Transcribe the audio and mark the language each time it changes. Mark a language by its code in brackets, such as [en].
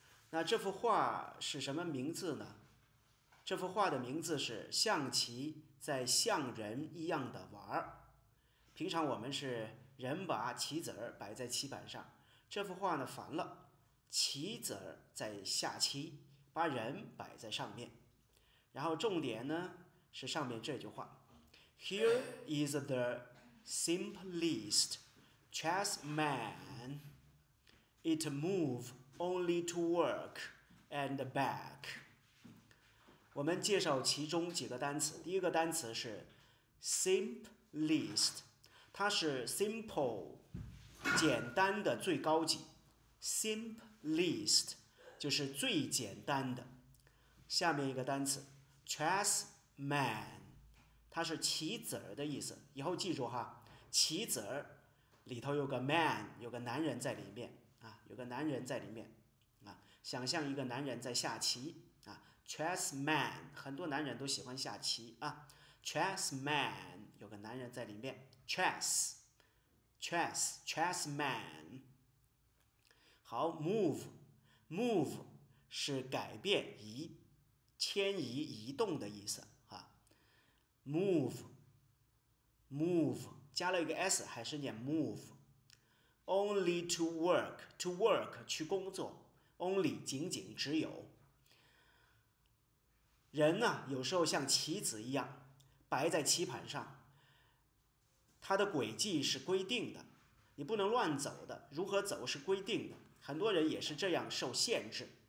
[zh] 那这幅画是什么名字呢？这幅画的名字是象棋在像人一样的玩儿。平常我们是人把棋子儿摆在棋盘上，这幅画呢反了，棋子儿在下棋，把人摆在上面。然后重点呢是上面这句话 ， [en] Here is the simplest chess man. It move only to work and back. [zh] 我们介绍其中几个单词。第一个单词是 simplest， 它是 simple， 简单的最高级。 simplest 就是最简单的。下面一个单词 chess man， 它是棋子的意思。以后记住哈。棋子儿里头有个 man， 有个男人在里面啊，有个男人在里面啊，想象一个男人在下棋啊， chess man， 很多男人都喜欢下棋啊， chess man， 有个男人在里面， chess man。好， move 是改变、迁移动的意思啊。 move加了一个 s， 还是念 move。 only to work， to work 去工作， only 仅仅只有。人呢有时候像棋子一样摆在棋盘上，它的轨迹是规定的，你不能乱走的，如何走是规定的，很多人也是这样受限制。